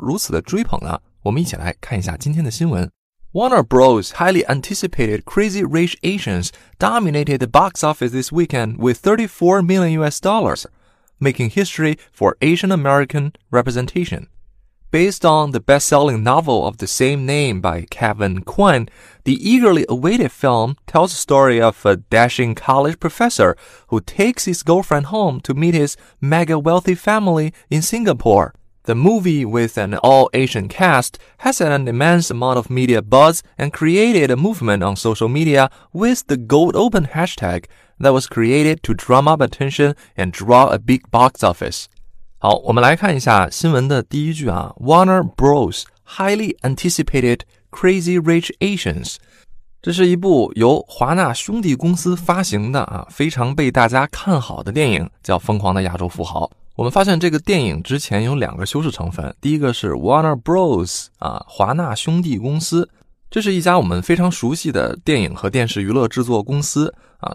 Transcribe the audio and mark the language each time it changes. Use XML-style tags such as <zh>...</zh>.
<zh>然而，更引人注目的是，这是近30年来第一部从编剧、导演到最后完成演出，全部由亚裔完成的影片。北美上映一周以来，它的好口碑和高票房也是让全世界都把目光关注到了亚裔群体。那么，这部影片到底取得了怎样的成绩？到底又讲了什么样的故事？为什么会受到如此的追捧呢？我们一起来看一下今天的新闻。</zh> <en>Warner Bros. highly anticipated Crazy Rich Asians dominated the box office this weekend with $34 million, making history for Asian American representation. Based on the best-selling novel of the same name by Kevin Kwan, the eagerly awaited film tells the story of a dashing college professor who takes his girlfriend home to meet his mega-wealthy family in Singapore. The movie, with an all-Asian cast, has had an immense amount of media buzz and created a movement on social media with the Gold Open hashtag that was created to drum up attention and draw a big box office.</en> <zh>好，我们来看一下新闻的第一句啊。</zh> <en>Warner Bros. highly anticipated Crazy Rich Asians.</en> <zh>这是一部由华纳兄弟公司发行的啊，非常被大家看好的电影，叫《疯狂的亚洲富豪》。我们发现这个电影之前有两个修饰成分，第一个是 Warner Bros. 啊，华纳兄弟公司，这是一家我们非常熟悉的电影和电视娱乐制作公司啊。</zh>